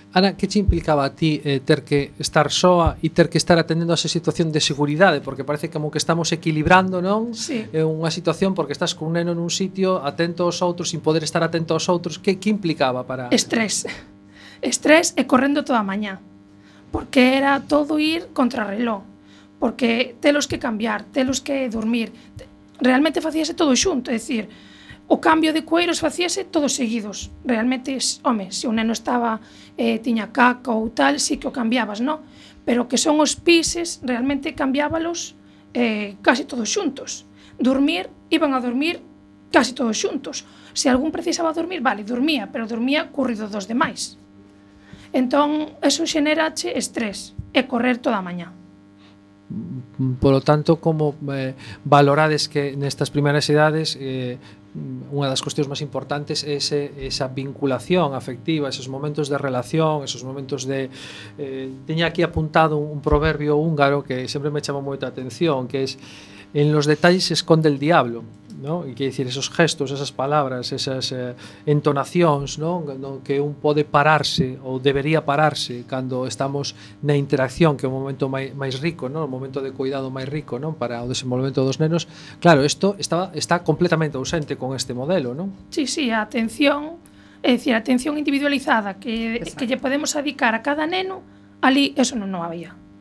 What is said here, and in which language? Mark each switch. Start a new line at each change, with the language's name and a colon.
Galician: Ana, que te implicaba a ti ter que estar soa e ter que estar atendendo a esa situación de seguridade? Porque parece como que estamos equilibrando, non? Sí. Unha situación porque estás con un neno nun sitio, atento aos outros, sin poder estar atento aos outros. Que implicaba para... Estrés. Estrés e correndo toda a mañá. Porque era todo ir contra reloj. Porque telos que cambiar, telos que dormir. Realmente facíase todo xunto, é dicir... O cambio de cueiros facíase todos seguidos. Realmente, home, se o neno estaba, tiña caca ou tal, sí que o cambiabas, non? Pero que son os pises, realmente cambiábalos casi todos xuntos. Dormir, iban a dormir casi todos xuntos. Se algún precisaba dormir, vale, dormía, pero dormía currido dos demais. Entón, eso xenerache estrés e correr toda a mañá.
Spanish: Por lo tanto,
Galician: como valorades que nestas primeiras idades... unha das cuestións máis importantes é esa vinculación afectiva, esos momentos de relación, esos momentos de... teña aquí apuntado un proverbio húngaro que sempre me chama moita atención, que é:
Spanish: en los detalles se esconde el diablo,
Galician: ¿no? E quer dicir, esos gestos, esas palabras, esas entonacións, ¿no? No, que un pode pararse ou debería pararse cando estamos na interacción, que é o momento máis rico, ¿no? O momento de cuidado máis rico, ¿no? Para o desenvolvemento dos nenos. Claro, isto está completamente ausente con este modelo, ¿no? Sí, sí, a atención, é dicir, a atención individualizada que lle podemos adicar a cada neno, ali eso non había.